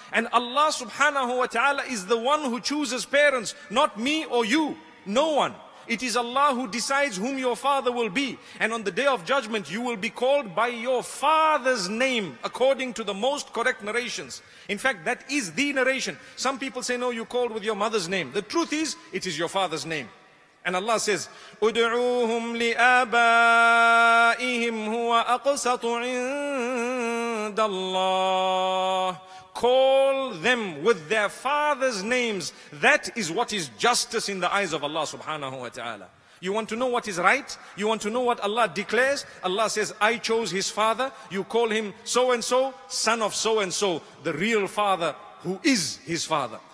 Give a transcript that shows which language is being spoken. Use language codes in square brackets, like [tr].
[en] And Allah subhanahu wa ta'ala is the one who chooses parents, not me or you, no one. It is Allah who decides whom your father will be. And on the day of judgment, you will be called by your father's name according to the most correct narrations. In fact, that is the narration. Some people say, no, you called with your mother's name. The truth is, it is your father's name. And Allah says, [ar] ادعوهم لآبائهم هو أقسط عند الله. [en] Call them with their father's names. That is what is justice in the eyes of Allah subhanahu wa ta'ala. You want to know what is right? You want to know what Allah declares? Allah says, I chose his father. You call him so and so, son of so and so, the real father who is his father.